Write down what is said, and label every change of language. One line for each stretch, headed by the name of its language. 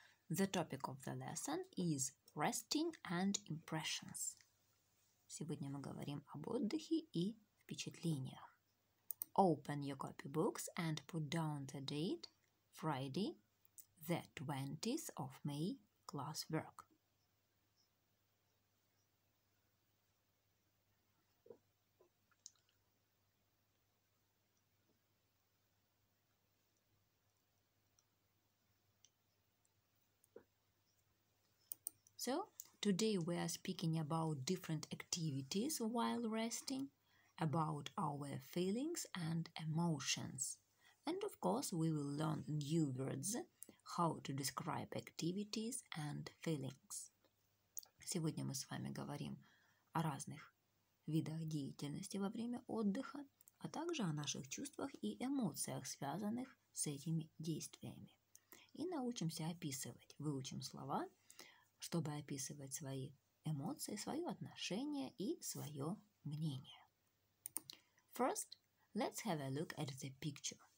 English: The topic of the lesson is resting and impressions.
Russian: Сегодня мы говорим об отдыхе и впечатлениях.
English: Open your copybooks and put down the date, Friday, the 20th of May, classwork. So, today we are speaking about different activities while resting, about our feelings and emotions. And of course, we will learn new words, how to describe activities and feelings.
Russian: Сегодня мы с вами говорим о разных видах деятельности во время отдыха, а также о наших чувствах и эмоциях, связанных с этими действиями. И научимся описывать, выучим слова, чтобы описывать свои эмоции, свое отношение и свое мнение.
English: First, let's have a look at the picture.